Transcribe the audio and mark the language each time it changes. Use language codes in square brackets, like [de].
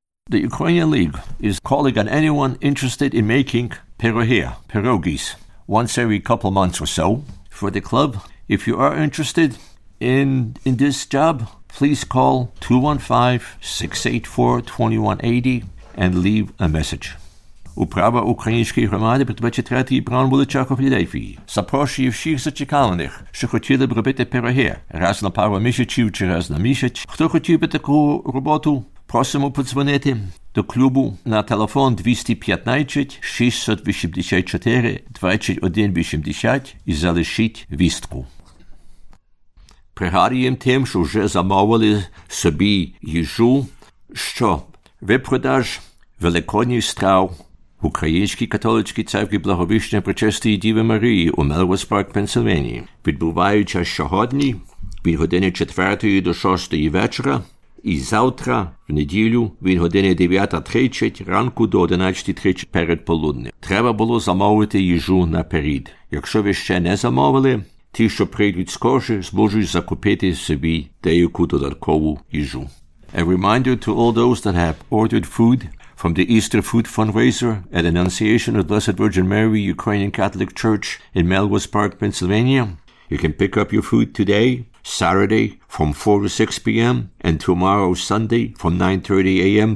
[en] The Ukrainian League is calling on anyone interested in making pierogies, once every couple months or so. For the club, if you are interested in this job, please call 215-684-2180 and leave a message. [uk] Управа української громади при 23-й Браун вуличах у Філадельфії запрошує всіх зачекалених, що хотіли б робити пироги раз на пару місяців чи раз на місяць. Хто хотів би таку роботу, просимо подзвонити до клубу на телефон 215-684-2180 і залишіть вістку. Пригадуємо тим, що вже замовили собі їжу, що випродаж великодніх страв в Українській католицькій церкві Благовіщення Пречистої Діви Марії у Мелвоз Парк, Пенсильванії відбуваються сьогодні від години 4 до 6 вечора і завтра, в неділю, від години 9:30 ранку до 11:30 перед полуднем. Треба було замовити їжу наперед. Якщо ви ще не замовили, ті, що прийдуть скоро, зможуть закупити собі деяку додаткову їжу. [en] A reminder to all those that have ordered food from the Easter Food Fundraiser at Annunciation of Blessed Virgin Mary Ukrainian Catholic Church in Melrose Park, Pennsylvania. You can pick up your food today, Saturday, from 4 to 6 p.m., and tomorrow, Sunday, from 9:30 a.m.